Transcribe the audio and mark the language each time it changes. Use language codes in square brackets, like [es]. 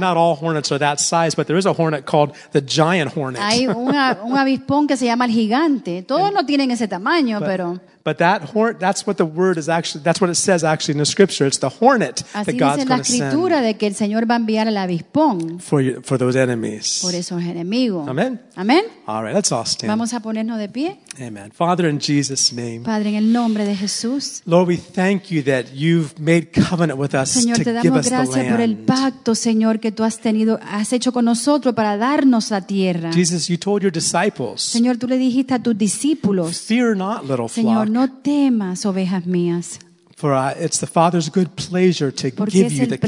[en] Not all hornets are that size, but there is a hornet called the giant hornet. [es] Hay un avispón que se llama el gigante. Todos no tienen ese tamaño, pero. [en] But that hornet, that's what it says actually in the scripture. It's the hornet [es] así [en] that God's going to send. [es] Así dice la escritura de que el Señor va a enviar el avispón. [en] For those enemies. [es] Por esos enemigos. [en] Amen. [es] Amen. [en] All right, let's all stand. [es] Vamos a ponernos de pie. [en] Amen. Father, in Jesus' name. [es] Padre, en el nombre de Jesús. [en] Lord, we thank you that you've made covenant with us [es] Señor, [en] to give us the land. [es] Señor, te damos gracias por el pacto, Señor, que tú has hecho con nosotros para darnos la tierra. [en] Jesus, you told your disciples. [es] Señor, tú le dijiste a tus discípulos. [en] Fear not, little flock. [es] Señor, no temas, ovejas mías. [en] For it's the Father's good pleasure to [es] Porque [en] give you the kingdom.